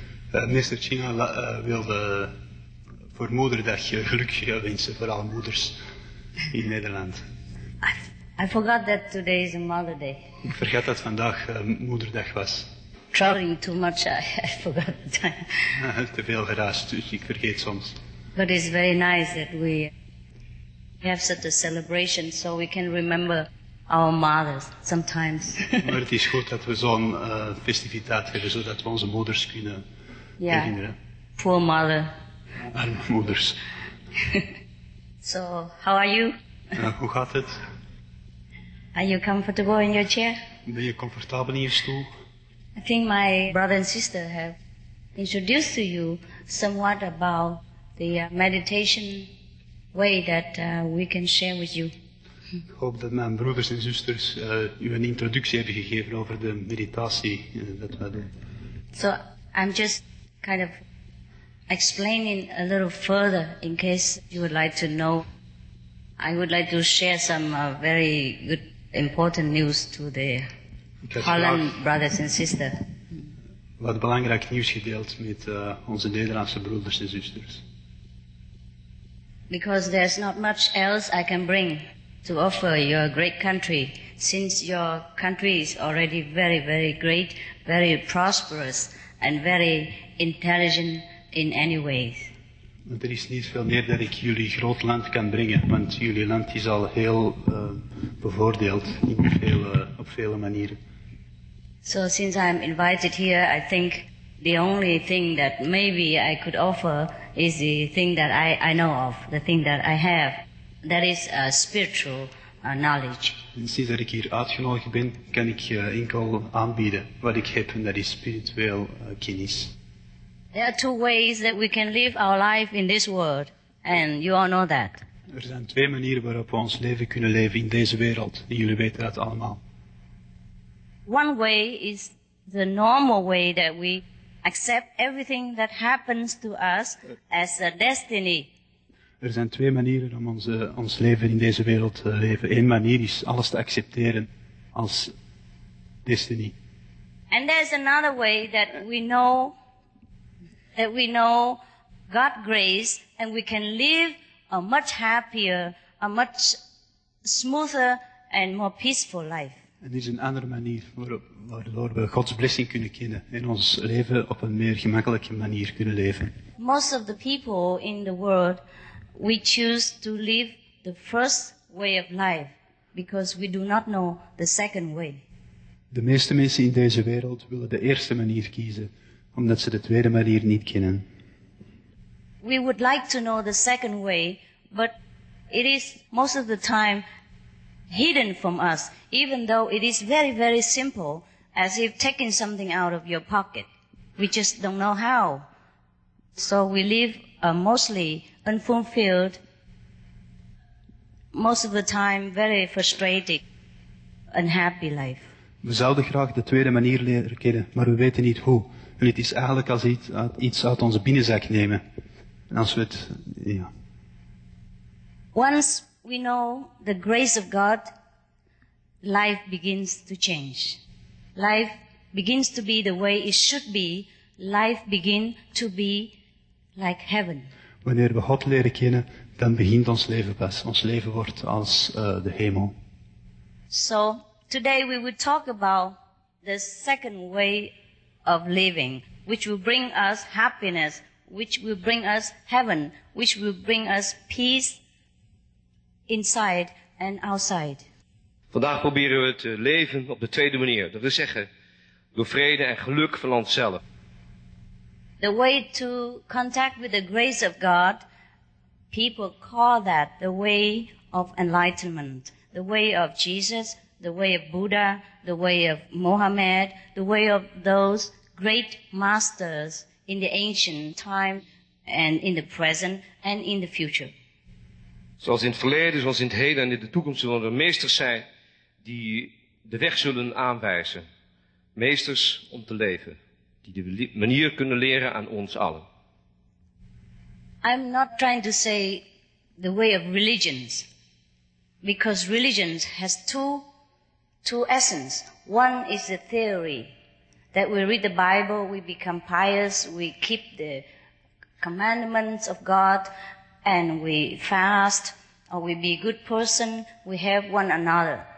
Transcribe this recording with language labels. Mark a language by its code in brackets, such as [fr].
[nl] Minister Chinga wilde voor Moederdag geluk wensen voor alle moeders in Nederland. [en] I forgot that today is a Mother Day. [nl] Ik vergat dat vandaag Moederdag was. [en] Traveling too much, I forgot the time. [nl] Te veel geraasd, dus ik vergeet soms. [en] But it's very nice that we have such a celebration so we can remember our mothers sometimes. [nl] Maar het is goed dat we zo'n festiviteit hebben, zodat we onze moeders kunnen herinneren. [en] Poor mother. [nl] Arme moeders. [en] So, how are you? [nl] Hoe gaat het? [en] Are you comfortable in your chair? [nl] Ben je comfortabel in je stoel? [en] I think my brother and sister have introduced to you somewhat about the meditation way that we can share with you. [nl] Ik hoop dat mijn broeders en zusters u een introductie hebben gegeven over de meditatie dat we doen. [en] So I'm just kind of explaining a little further in case you would like to know. I would like to share some very good important news to the Holland brothers and sisters. [nl] Wat belangrijk nieuws gedeeld met onze Nederlandse broeders en zusters. [en] Because there's not much else I can bring to offer your great country, since your country is already very, very great, very prosperous and very intelligent in any ways. [nl] Er is niet veel meer dat ik jullie groot land kan brengen, want jullie land is al heel bevoordeeld in veel, op vele manieren. [en] So since I'm invited here, I think the only thing that maybe I could offer is the thing that I know of, the thing that I have. That is a spiritual knowledge. [nl] En sinds dat ik hier uitgenodigd ben, kan ik enkel aanbieden wat ik heb, en dat is spiritueel kennis. [en] There are two ways that we can live our life in this world, and you all know that. [nl] Er zijn twee manieren waarop we ons leven kunnen leven in deze wereld, en jullie weten dat allemaal. [en] One way is the normal way that we accept everything that happens to us as a destiny. [nl] Er zijn twee manieren om ons leven in deze wereld te leven. Eén manier is alles te accepteren als destiny. [en] And there's another way that we know God's grace, and we can live a much happier, a much smoother and more peaceful life. [nl] En er is een andere manier waardoor we Gods blessing kunnen kennen en ons leven op een meer gemakkelijke manier kunnen leven. [en] Most of the people in the world we choose to live the first way of life because we do not know the second way. [nl] De meeste mensen in deze wereld willen de eerste manier kiezen, omdat ze de tweede manier niet kennen. [en] We would like to know the second way, but it is most of the time hidden from us, even though it is very, very simple, as if taking something out of your pocket. We just don't know how. So we live a mostly unfulfilled, most of the time very frustrated, unhappy life. [nl] We zouden graag de tweede manier leren kennen, maar we weten niet hoe. En het is eigenlijk als iets uit onze binnenzak nemen. En als we het, ja. [en] Once we know the grace of God, life begins to change. Life begins to be the way it should be. Life begins to be like heaven. [nl] Wanneer we God leren kennen, dan begint ons leven pas. Ons leven wordt als de hemel. [en] So, today we will talk about the second way of living, which will bring us happiness, which will bring us heaven, which will bring us peace inside and outside. [nl] Vandaag proberen we te leven op de tweede manier. Dat wil zeggen, door vrede en geluk van onszelf. [en] The way to contact with the grace of God, people call that the way of enlightenment. The way of Jesus, the way of Buddha, the way of Mohammed, the way of those great masters in the ancient time and in the present and in the future. [nl] Zoals in het verleden, zoals in het heden en in de toekomst zullen er meesters zijn die de weg zullen aanwijzen. Meesters om te leven. Die de manier kunnen leren aan ons allen. [en] I'm not trying to say the way of religions. Because religion has two essence. One is the theory that we read the Bible, we become pious, we keep the commandments of God, and we fast, or we be a good person, we help one another.